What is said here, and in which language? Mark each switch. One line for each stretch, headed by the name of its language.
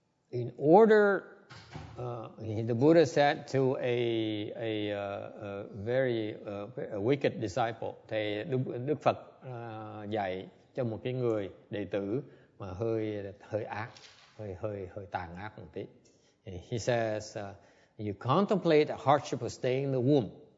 English: In order, the Buddha said to a very wicked disciple.
Vietnamese: Thì Đức Phật dạy cho một cái người đệ tử mà hơi ác, hơi tàn ác một tí.
English: He says, you contemplate the hardship of staying in the womb.